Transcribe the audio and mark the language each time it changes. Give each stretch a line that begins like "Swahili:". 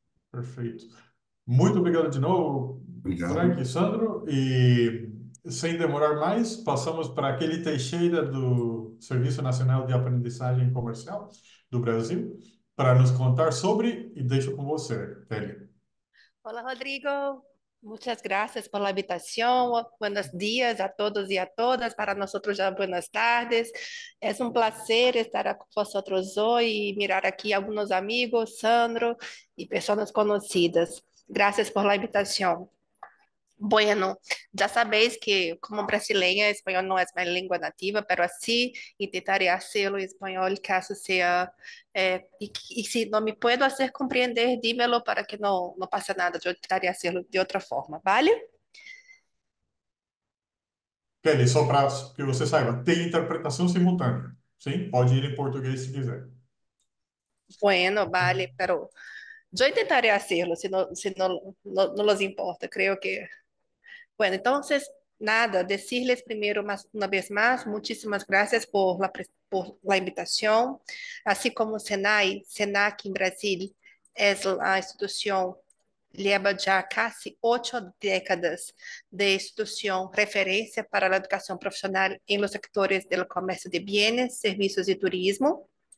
Portuguese: Perfeito. Muito obrigado de novo, Frank Obrigado. e Sandro. E sem demorar mais, passamos para aquele Teixeira do Serviço Nacional de Aprendizagem Comercial do Brasil para nos contar sobre, e deixo com você, Kelly.
Spanish: Hola Rodrigo, muchas gracias por la invitación. Buenos días a todos y a todas. Para nosotros ya buenas tardes. Es un placer estar con vosotros hoy y mirar aquí algunos amigos, Sandro y personas conocidas. Gracias por la invitación. Bueno, ya sabéis que como brasileña, español no es mi lengua nativa, pero así intentaré hacerlo en español, caso sea. Y si no me puedo hacer comprender, dímelo para que no pase nada. Yo intentaré hacerlo de otra forma, ¿vale?
Portuguese: Kelly, só para que você saiba, tem interpretação simultânea. Sim, pode ir em português se quiser.
Spanish: Bueno, vale, pero yo intentaré hacerlo, si no les importa, creo que. Bueno, entonces, nada, decirles primero una vez más, muchísimas gracias por la invitación. Así como SENAC en Brasil es la institución, lleva ya casi 8 décadas de institución referencia para la educación profesional en los sectores del comercio de bienes, servicios y turismo.